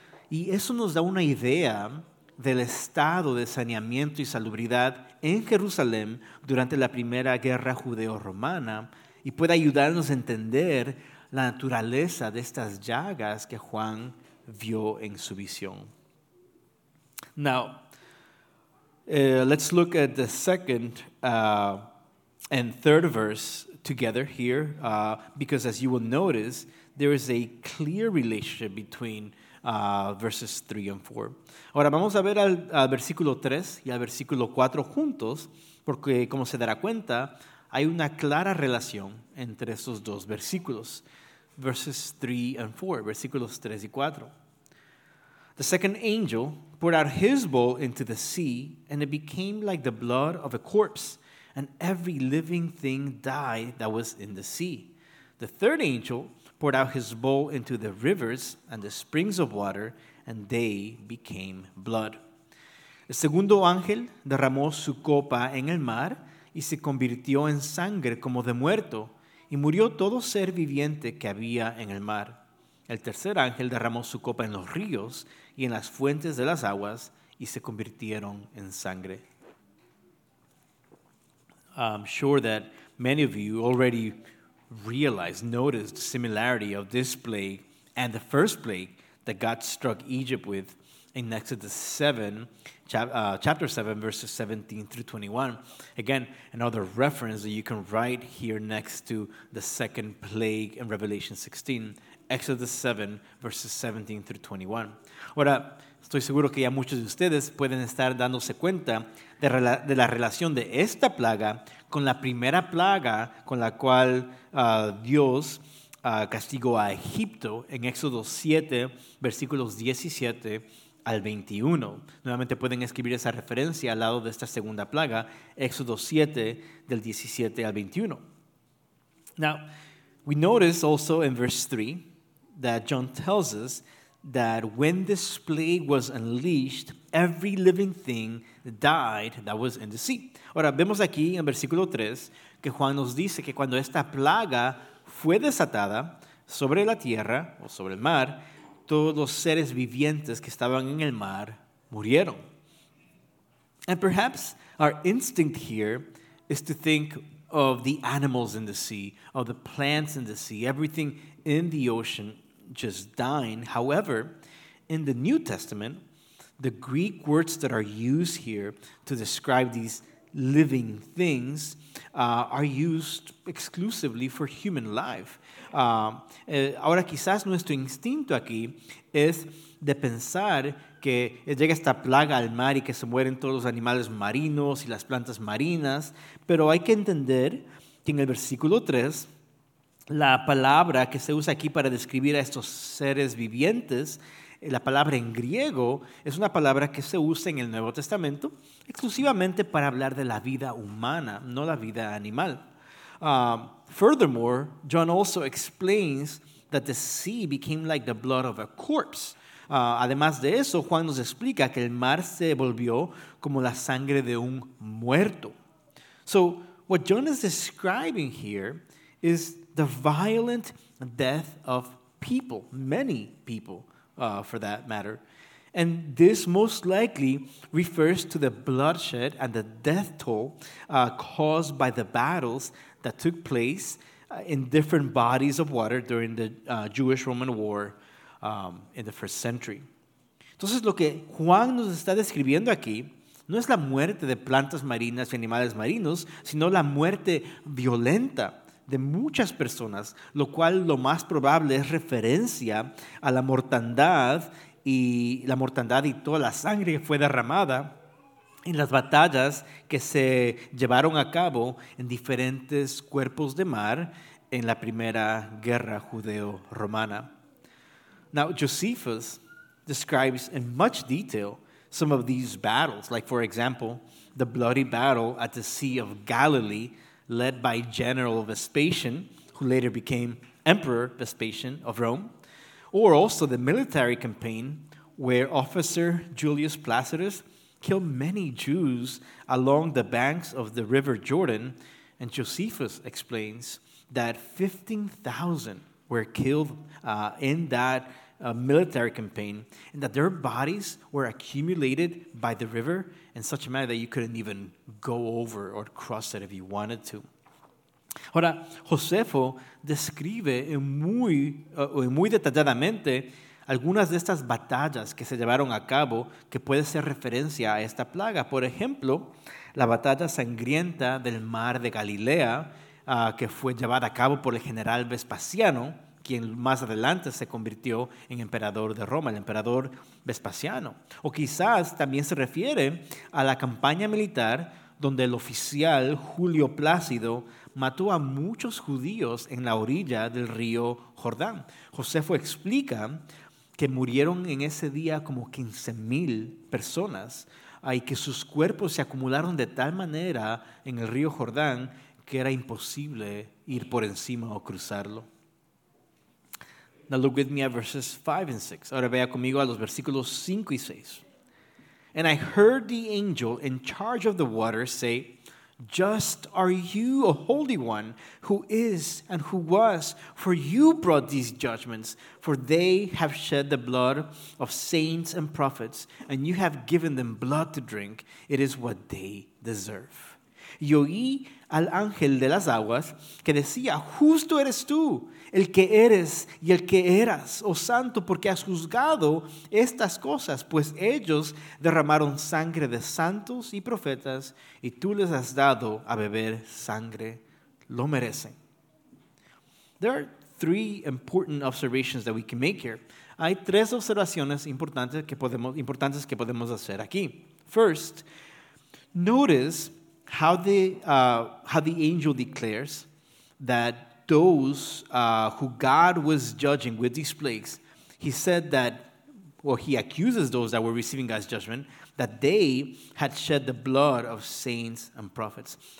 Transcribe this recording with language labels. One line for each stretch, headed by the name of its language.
Spanish: Y eso nos da una idea del estado de saneamiento y salubridad en Jerusalén durante la primera guerra judeo-romana y puede ayudarnos a entender la naturaleza de estas llagas que Juan vio en su visión.
English: Now, let's look at the second and third verse together here, because as you will notice, there is a clear relationship between verses 3 and 4.
Spanish: Ahora vamos a ver al versículo 3 y al versículo 4 juntos, porque como se dará cuenta, hay una clara relación entre esos dos versículos,
English: verses 3 and 4,
Spanish: versículos 3 y 4.
English: The second angel poured out his bowl into the sea, and it became like the blood of a corpse, and every living thing died that was in the sea. The third angel poured out his bowl into the rivers and the springs of water, and they became blood.
Spanish: El segundo ángel derramó su copa en el mar, y se convirtió en sangre como de muerto, y murió todo ser viviente que había en el mar. El tercer ángel derramó su copa en los ríos y en las fuentes de las aguas y se convirtieron en sangre.
English: I'm sure that many of you already realized, noticed the similarity of this plague and the first plague that God struck Egypt with in Exodus 7, chapter 7, verses 17 through 21. Again, another reference that you can write here next to the second plague in Revelation 16. Exodus 7, verses 17 through 21.
Spanish: Ahora, estoy seguro que ya muchos de ustedes pueden estar dándose cuenta de la relación de esta plaga con la primera plaga con la cual Dios castigó a Egipto en Éxodo 7, versículos 17 al 21. Nuevamente pueden escribir esa referencia al lado de esta segunda plaga, Éxodo 7, del 17 al 21.
English: Now, we notice also in verse 3, that John tells us that when this plague was unleashed, every living thing died that was in the sea.
Spanish: Ahora, vemos aquí en versículo 3 que Juan nos dice que cuando esta plaga fue desatada sobre la tierra o sobre el mar, todos los seres vivientes que estaban en el mar murieron.
English: And perhaps our instinct here is to think of the animals in the sea, of the plants in the sea, everything in the ocean just dying. However, in the New Testament, the Greek words that are used here to describe these living things are used exclusively for human life.
Spanish: Ahora quizás nuestro instinto aquí es de pensar que llega esta plaga al mar y que se mueren todos los animales marinos y las plantas marinas, pero hay que entender que en el versículo 3, la palabra que se usa aquí para describir a estos seres vivientes, la palabra en griego, es una palabra que se usa en el Nuevo Testamento exclusivamente para hablar de la vida humana, no la vida animal.
English: Furthermore, John also explains that the sea became like the blood of a corpse.
Spanish: Además de eso, Juan nos explica que el mar se volvió como la sangre de un muerto.
English: So, what John is describing here is the violent death of people, many people, for that matter. And this most likely refers to the bloodshed and the death toll caused by the battles that took place in different bodies of water during the Jewish-Roman War in the first century.
Spanish: Entonces, lo que Juan nos está describiendo aquí no es la muerte de plantas marinas y animales marinos, sino la muerte violenta de muchas personas, lo cual lo más probable es referencia a la mortandad y toda la sangre que fue derramada en las batallas que se llevaron a cabo en diferentes cuerpos de mar en la primera guerra judeo-romana.
English: Now, Josephus describes in much detail some of these battles, like, for example, the bloody battle at the Sea of Galilee, led by General Vespasian, who later became Emperor Vespasian of Rome, or also the military campaign where Officer Julius Placidus killed many Jews along the banks of the River Jordan. And Josephus explains that 15,000 were killed in that military campaign, and that their bodies were accumulated by the river in such a manner that you couldn't even go over or cross it if you wanted to.
Spanish: Ahora, Josefo describe muy detalladamente algunas de estas batallas que se llevaron a cabo que puede ser referencia a esta plaga. Por ejemplo, la batalla sangrienta del mar de Galilea, que fue llevada a cabo por el general Vespasiano, quien más adelante se convirtió en emperador de Roma, el emperador Vespasiano. O quizás también se refiere a la campaña militar donde el oficial Julio Plácido mató a muchos judíos en la orilla del río Jordán. Josefo explica que murieron en ese día como 15,000 personas y que sus cuerpos se acumularon de tal manera en el río Jordán que era imposible ir por encima o cruzarlo.
English: Now look with me at verses 5 and 6.
Spanish: Ahora vea conmigo a los versículos 5 y 6.
English: And I heard the angel in charge of the water say, "Just are you, O Holy One, who is and who was, for you brought these judgments, for they have shed the blood of saints and prophets, and you have given them blood to drink. It is what they deserve."
Spanish: Y oí al ángel de las aguas que decía, "Justo eres tú, el que eres y el que eras, oh santo, porque has juzgado estas cosas, pues ellos derramaron sangre de santos y profetas y tú les has dado a beber sangre, lo merecen."
English: There are three important observations that we can make here.
Spanish: Hay tres observaciones importantes que podemos hacer aquí.
English: First, notice how the angel declares that those who God was judging with these plagues, he said that, or he accuses those that were receiving God's judgment, that they had shed the blood of saints and prophets.